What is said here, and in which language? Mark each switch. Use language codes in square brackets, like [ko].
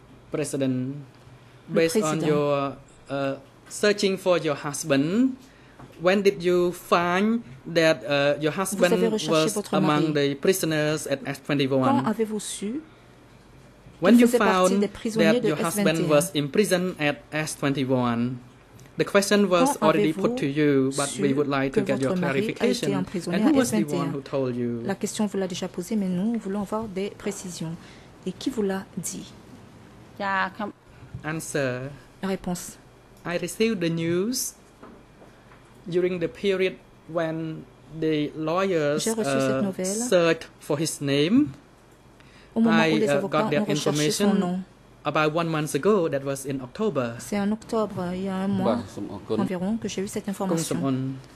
[en] President, based on your searching for your husband, when did you find that your husband was among the prisoners at S21? [fr] Quand avez-vous su? [en] When you found that your husband was imprisoned at S21, the question was already put to you, but we would like to get your clarification. And who was the one who told you? [fr] La question vous l'a déjà posée, mais nous voulons avoir des précisions. Et qui vous l'a dit? [en] Answer. [fr] Réponse. [en] I received the news during the period when the lawyers searched for his name. [fr] Au moment [en] I [fr] où les avocats [en] got that information about 1 month ago, that was in October. [fr] C'est en octobre, il y a un mois environ, que j'ai eu cette information.